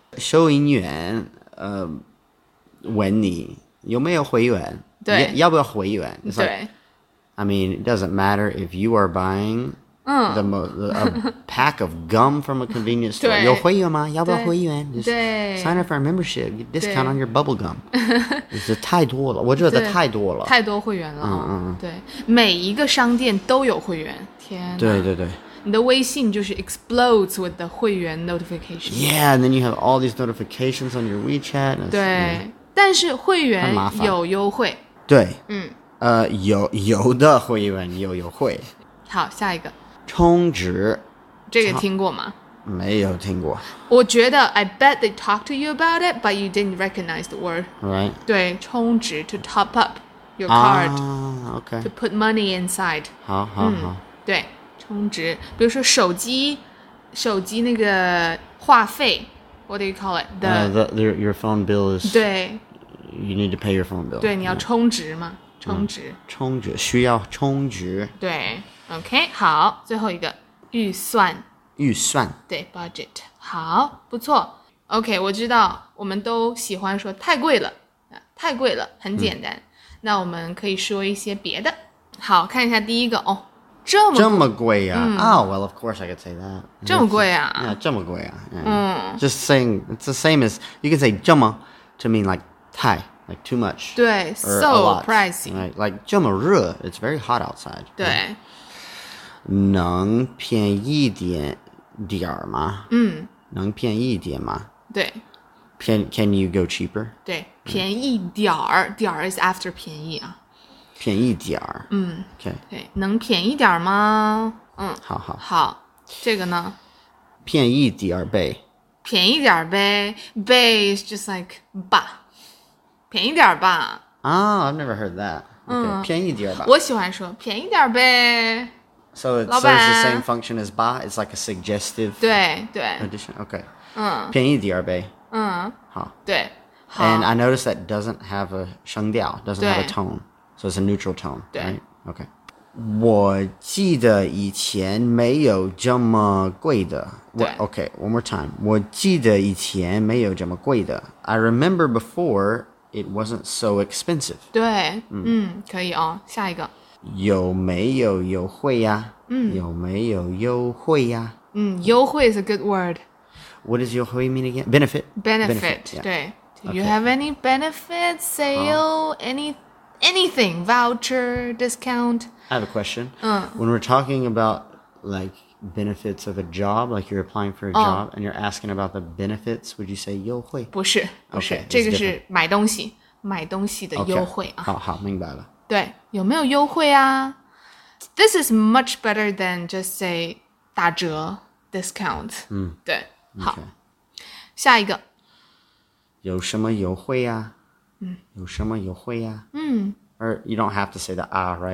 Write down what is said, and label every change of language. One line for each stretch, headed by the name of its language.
Chinese: 收银员、问你有没有会员对要不要会员
English: It's like, I mean, it doesn't matter if you are buying... a pack of gum from a convenience store.
Chinese: 有会员吗？要不要会员？
English: Just sign up for a membership. Get discount on your bubble gum.
Chinese: 这太多了，我觉得太多了。太多会员了。嗯嗯。对，每一个商店都有会员。天哪。对对对。你的微信就是
English: explodes with the
Chinese: 会员
English: notification. Yeah, and then you have all these notifications on your WeChat.
Chinese: 对，但是会员有优惠。对。嗯。有的会员有优惠。好，下一个。充值这个听过吗没有听过我觉得
English: I bet they talked to you about it but you didn't recognize the word right
Chinese: 对充值
English: to top up your card、 okay. to put money inside
Chinese: 好好、好对充值比如说手机那个话费
English: what do you call it your phone bill is
Chinese: 对
English: you need to pay your phone bill
Chinese: 对你要充值吗充值、充值需要充值对OK, 好最后一个预算。预算。对 ,budget。好不错。 OK, 我知道我们都喜欢说太贵了。太贵了很简单、嗯。那我们可以说一些别的。好看一下第一个哦。这么贵啊。
English: Oh, well, of course I could say that.
Chinese: 这么贵啊。 Yeah, 这么贵啊。嗯。
English: Just saying, it's the same as, you can say 这么 to mean like 太。 Like too much. 对 so pricey. Right? Like
Chinese: 这么热
English: it's very hot outside.
Chinese: 对。能便宜点吗嗯。能便宜点吗对。
English: Can you go cheaper?
Chinese: 对。便宜点点
English: is after
Chinese: 便宜啊。便宜点嗯。
English: Okay.
Chinese: 对。能便宜点吗嗯。好好。好。这个呢便宜点呗。便宜点呗。呗
English: is just like,
Chinese: 吧。便宜点吧。
English: Oh, I've never heard that. Okay,
Chinese: 便宜点吧。我喜欢说便宜点呗。
English: So it serves the same function as ba? It's like a suggestive 对对 addition. Okay. 嗯
Chinese: 便宜点呗。嗯好。对。
English: And I noticed that doesn't have a 声调 doesn't have a tone. So it's a neutral tone.
Chinese: 对。
English: Right? Okay.
Chinese: 我记得以前没有这么贵的。对。
English: Okay, one more time.
Chinese: 我记得以前没有这么贵的。
English: I remember before it wasn't so expensive.
Chinese: 对，嗯，可以哦。下一个，有没有优惠呀？嗯，有没有优惠呀？
English: 嗯，优惠 is a good word. What does 优惠 mean again? Benefit. Benefit. Yeah. 对。 Do you have any benefits, sale, anything, voucher, discount? I have a question. When we're talking about, like, benefits of a job, like you're applying for a job and you're asking about the benefits, would you say 优惠?
Chinese: 不是, 不是, 这个是买东西, 买东西的优惠。好,好,明白了。对,有没有优惠啊?
English: This is much better than just say 打折, discount.
Chinese: 对,好。下一个。有什么优惠呀？有什么优惠呀？
English: Or you don't have to say the ah, right?